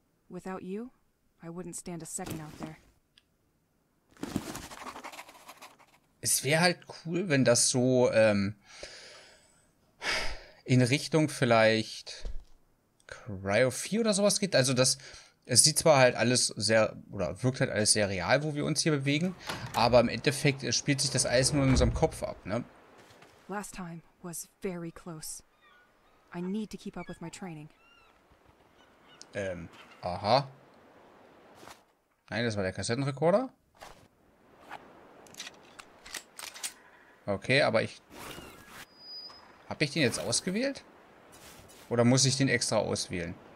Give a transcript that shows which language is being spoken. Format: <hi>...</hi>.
<en>Without you, I wouldn't stand a second out there.</en> <de>Es wäre halt cool, wenn das so in Richtung vielleicht Cryo 4 oder sowas geht. Also das, es sieht zwar halt alles sehr, oder wirkt halt alles sehr real, wo wir uns hier bewegen, aber im Endeffekt spielt sich das alles nur in unserem Kopf ab, ne?</de> <en>Last time was very close. I need to keep up with my training. Aha.</en> <de>Nein, das war der Kassettenrekorder. Okay, aber ich... Habe ich den jetzt ausgewählt? Oder muss ich den extra auswählen?</de>